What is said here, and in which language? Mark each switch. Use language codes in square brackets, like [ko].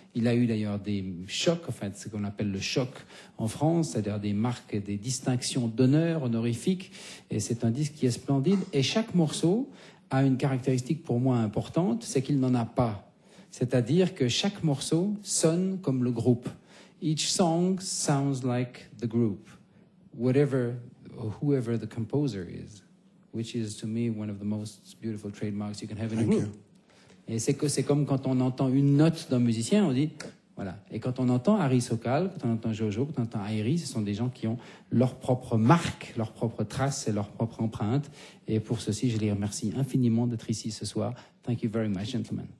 [fr] Il a eu d'ailleurs des chocs, en fait, ce qu'on appelle le choc en France, c'est-à-dire des marques, des distinctions d'honneur honorifiques. Et c'est un disque qui est splendide. Et chaque morceau a une caractéristique pour moi importante, c'est qu'il n'en a pas. C'est-à-dire que chaque morceau sonne comme le groupe. [en] Each song sounds like the group, whatever or whoever the composer is, which is to me one of the most beautiful trademarks you can have in a group. Thank you. [fr] Et c'est comme quand on entend une note d'un musicien, on dit voilà. Et quand on entend Harry Sokal, quand on entend Jojo, quand on entend Airi, ce sont des gens qui ont leur propre marque, leur propre trace et leur propre empreinte. Et pour ceci, je les remercie infiniment d'être ici ce soir. [en] Thank you very much, gentlemen.